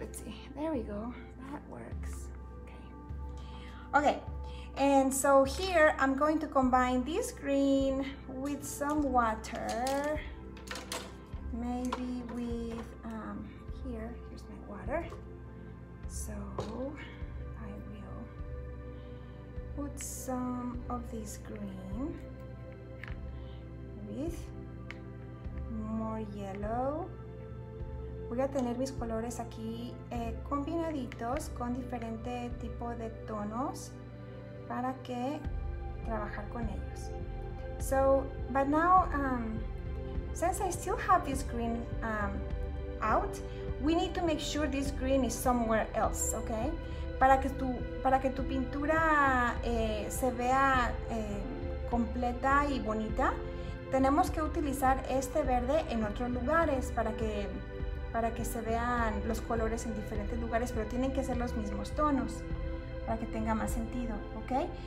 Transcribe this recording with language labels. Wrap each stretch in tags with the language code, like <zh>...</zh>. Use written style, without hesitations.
<en>Let's see, there we go, that works. Okay, and so here I'm going to combine this green with some water, maybe with, here's my water. So I will put some of this green with more yellow.</en> <es>Voy a tener mis colores aquí combinaditos con diferente tipo de tonos para que trabajar con ellos.</es> <en>So, but now, since I still have this green out, we need to make sure this green is somewhere else, okay?</en> <es>Para que tu pintura se vea completa y bonita, tenemos que utilizar este verde en otros lugares para que se vean los colores en diferentes lugares, pero tienen que ser los mismos tonos para que tenga más sentido, ¿ok?</es>